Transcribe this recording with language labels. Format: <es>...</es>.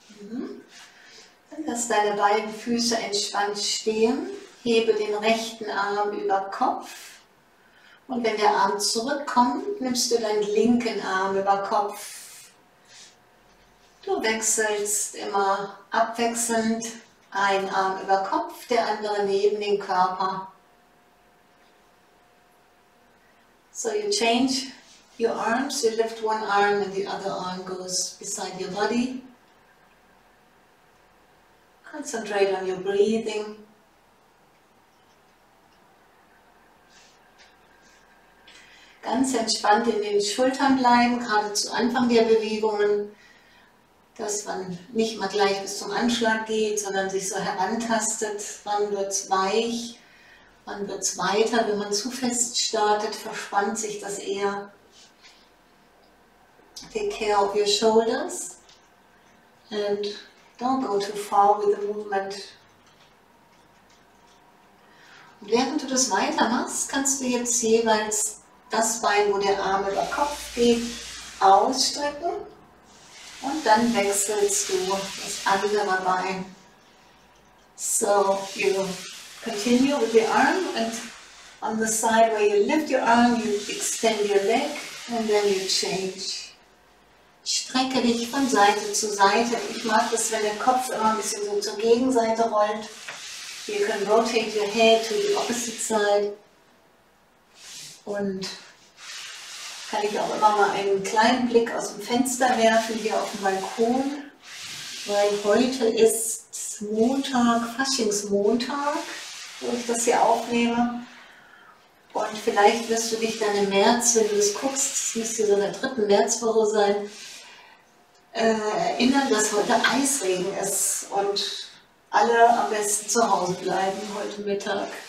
<de>Dann lass deine beiden Füße entspannt stehen, hebe den rechten Arm über Kopf. Und wenn der Arm zurückkommt, nimmst du deinen linken Arm über Kopf. Du wechselst immer abwechselnd. Ein Arm über Kopf, der andere neben den Körper.</de> <en>So you change your arms, you lift one arm and the other arm goes beside your body. Concentrate on your breathing.</en> <de>Ganz entspannt in den Schultern bleiben, gerade zu Anfang der Bewegungen. Dass man nicht mal gleich bis zum Anschlag geht, sondern sich so herantastet. Wann wird es weich? Wann wird es weiter? Wenn man zu fest startet, verspannt sich das eher.</de> <en>Take care of your shoulders. And don't go too far with the movement.</en> <de>Und während du das weitermachst, kannst du jetzt jeweils das Bein, wo der Arm über Kopf geht, ausstrecken. Und dann wechselst du das andere Bein.</de> <en>So, you continue with your arm and on the side where you lift your arm, you extend your leg and then you change.</en> <de>Strecke dich von Seite zu Seite. Ich mag das, wenn der Kopf immer ein bisschen so zur Gegenseite rollt.</de> <en>You can rotate your head to the opposite side.</en> <de>Und kann ich auch immer mal einen kleinen Blick aus dem Fenster werfen, hier auf dem Balkon, weil heute ist Montag, Faschingsmontag, wo ich das hier aufnehme. Und vielleicht wirst du dich dann im März, wenn du das guckst, das müsste so in der dritten Märzwoche sein, erinnern, dass heute Eisregen ist und alle am besten zu Hause bleiben heute Mittag.</de>